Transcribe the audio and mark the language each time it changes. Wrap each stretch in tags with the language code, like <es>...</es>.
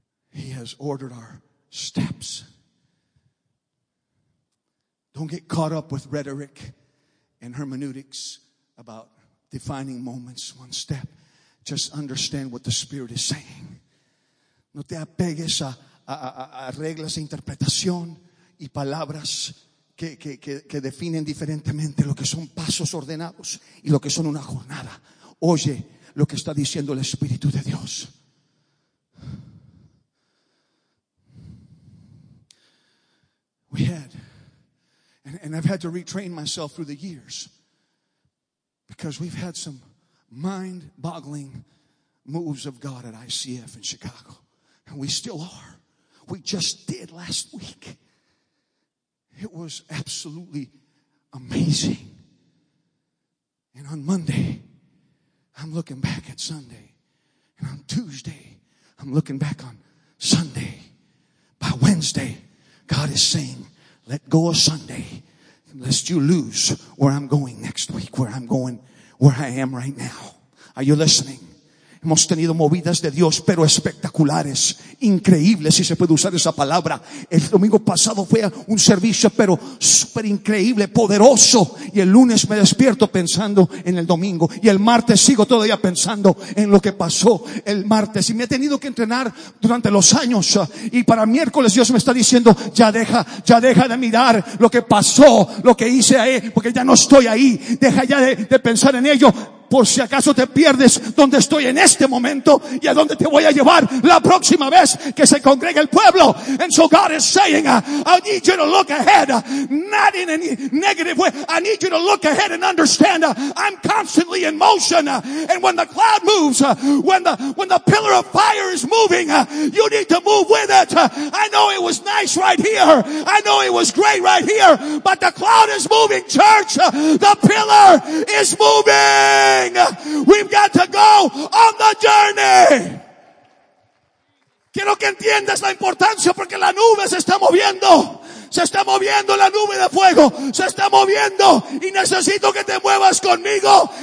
<en>He has ordered our steps. Don't get caught up with rhetoric and hermeneutics about defining moments, one step. Just understand what the Spirit is saying.</en> <es>No te apegues a reglas de interpretación y palabras que definen diferentemente lo que son pasos ordenados y lo que son una jornada. Oye lo que está diciendo el Espíritu de Dios.</es> <en>We had, and I've had to retrain myself through the years because we've had some mind-boggling moves of God at ICF in Chicago, and we still are. We just did last week. It was absolutely amazing. And on Monday, I'm looking back at Sunday, and on Tuesday, I'm looking back on Sunday. By Wednesday, God is saying, let go of Sunday, lest you lose where I'm going next week, where I'm going, where I am right now. Are you listening?</en> <es>Hemos tenido movidas de Dios, pero espectaculares, increíbles, si se puede usar esa palabra. El domingo pasado fue un servicio, pero súper increíble, poderoso. Y el lunes me despierto pensando en el domingo. Y el martes sigo todavía pensando en lo que pasó el martes. Y me he tenido que entrenar durante los años. Y para miércoles Dios me está diciendo, ya deja de mirar lo que pasó, lo que hice ahí, porque ya no estoy ahí. Deja ya de pensar en ello. Por si acaso te pierdes donde estoy en este momento y a dónde te voy a llevar la próxima vez que se congregue el pueblo.</es> <en>And so God is saying, I need you to look ahead, not in a negative way. I need you to look ahead and understand, I'm constantly in motion. And when the cloud moves, when the pillar of fire is moving, you need to move with it. I know it was nice right here. I know it was great right here, but the cloud is moving, church. The pillar is moving. We've got to go on the journey.</en> <es>Quiero que entiendas la importancia porque la nube se está moviendo. Se está moviendo la nube de fuego. Se está moviendo y necesito que te muevas conmigo.</es>